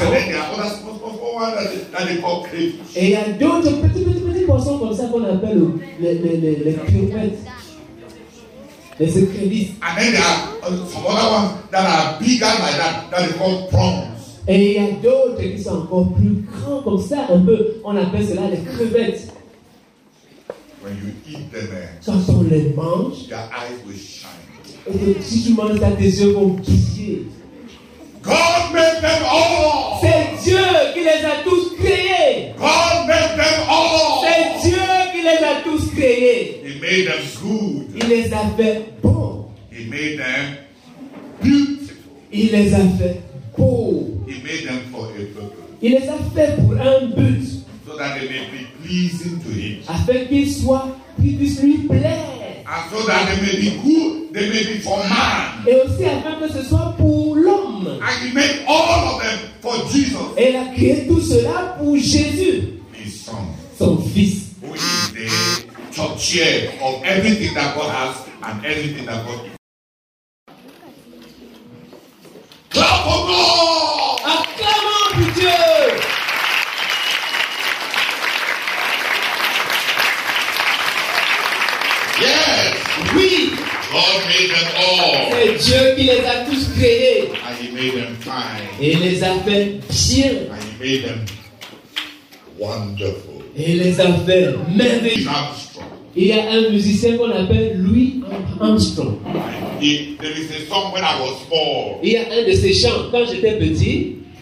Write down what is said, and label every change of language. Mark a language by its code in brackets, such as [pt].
[en] And then there are other small ones that they call crayfish. [fr] Et il y a d'autres petits poissons comme ça qu'on appelle les crevettes. Les écrevisses. [en] And then there are some other ones that are bigger like that, that they call prawns. [fr] Et il y a d'autres qui sont encore plus grands comme ça, un peu. On appelle cela les crevettes. [en] When you eat them, [fr] quand on les mange, [en] your eyes will shine. [fr] Et si tu manges ça, tes yeux vont briller. [en] God made them all. [fr] C'est Dieu qui les a tous créés. [en] God made them all. [fr] C'est Dieu qui les a tous créés. [en] He made them good. [fr] Il les a fait bons. [en] He made them beautiful. [fr] Il les a fait beaux. [en] He made them for a purpose. [fr] Il les a fait pour un but. [en] So that they may be pleasing to him. [fr] Afin qu'il soit, qu'il puisse lui plaire. [en] And so that they may be good, they may be for man. [fr] Et aussi afin que ce soit pour l'homme. [en] And he made all of them for Jesus. [fr] Et il a créé tout cela pour Jésus. [en] His son. [fr] Son fils. [en] Who is the top chair of everything that God has and everything that God gives. Clap for God! [fr] Acclamons pour Dieu! [en] Yes, we God made made them all. [fr] C'est Dieu qui les a tous créés. [en] And he made them fine. [fr] Et il les a fait bien. [en] And he made them wonderful. [fr] Et il les a fait merveilleux. Il y a un musicien qu'on appelle Louis Armstrong. [en] There is a song when I was small. [fr] Il y a un de ses chants quand j'étais petit.